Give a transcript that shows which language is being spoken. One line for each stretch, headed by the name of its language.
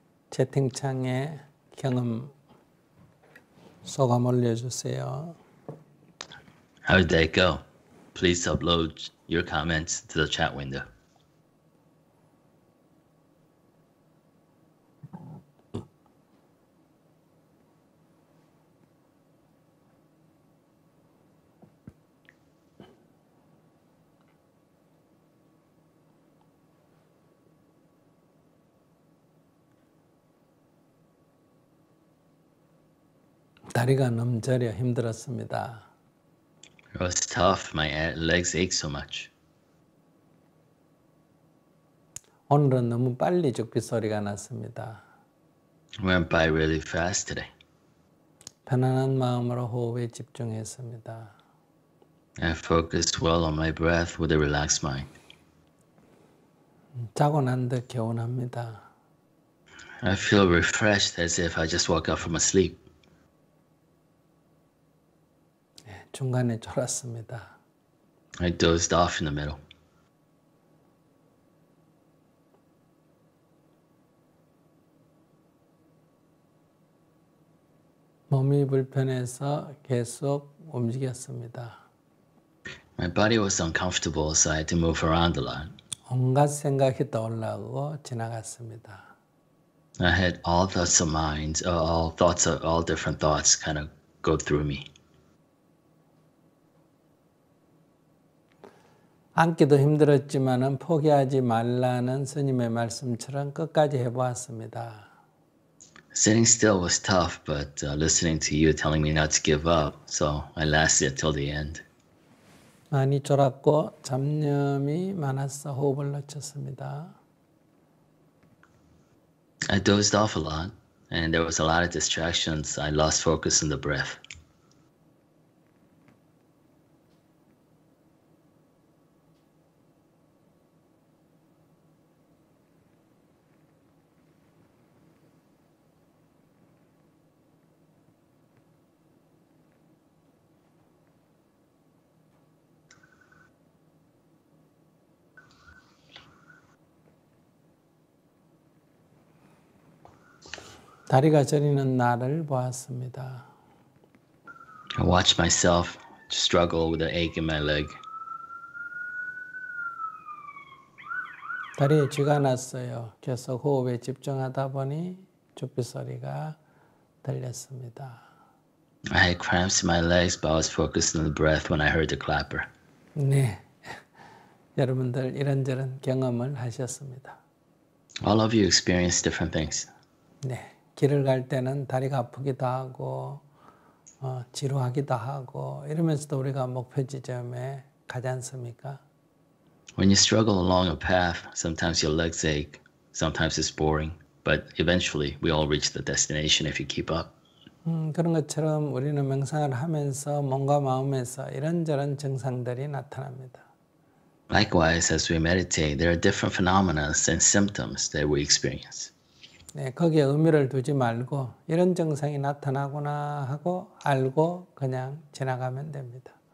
Korean: 채팅창에 경험 소감 올려주세요.
English: How did that go? Please upload your comments to the chat window.
Korean: 다리가 넘저려 힘들었습니다.
English: It was tough. My legs ache so much.
Korean: 오늘은 너무 빨리 죽비 소리가 났습니다.
English: Went by really fast today.
Korean: 편안한 마음으로 호흡에 집중했습니다.
English: I focused well on my breath with a relaxed mind.
Korean: 자고 난 듯 개운합니다.
English: I feel refreshed as if I just woke up from a sleep.
Korean: 중간에 졸았습니다.
English: I dozed off in the middle.
Korean: 몸이 불편해서 계속 움직였습니다.
English: My body was uncomfortable, so I had to move around a lot.
Korean: 온갖 생각이 떠올라고 지나갔습니다.
English: I had all thoughts of mind, all thoughts of all different thoughts kind of go through me.
Korean: 앉기도 힘들었지만은 포기하지 말라는 스님의 말씀처럼 끝까지 해보았습니다.
English: Sitting still was tough, but listening to you telling me not to give up, so I lasted till the end.
Korean: 많이 졸았고 잡념이 많았어 호흡을 놓쳤습니다.
English: I dozed off a lot, and there was a lot of distractions. I lost focus on the breath.
Korean: 다리가 저리는 나를 보았습니다.
English: I watched myself struggle with an ache in my leg.
Korean: 다리에 쥐가 났어요. 계속 호흡에 집중하다 보니 죽비 소리가 들렸습니다.
English: I had cramps in my legs, but I was focused on the breath when I heard the clapper.
Korean: 네, 여러분들 이런저런 경험을 하셨습니다.
English: All of you experienced different things.
Korean: 네. 길을 갈 때는 다리가 아프기도 하고 지루하기도 하고 이러면서도 우리가 목표 지점에 가지 않습니까?
English: When you struggle along a path, sometimes your legs ache, sometimes it's boring, but eventually we all reach the destination if you keep up.
Korean: 그런 것처럼 우리는 명상을 하면서 몸과 마음에서 이런저런 증상들이 나타납니다.
English: Likewise, as we meditate, there are different phenomena and symptoms that we experience.
Korean: 네, 거기에 의미를 두지 말고 이런 증상이 나타나구나 하고 알고 그냥 지나가면 됩니다.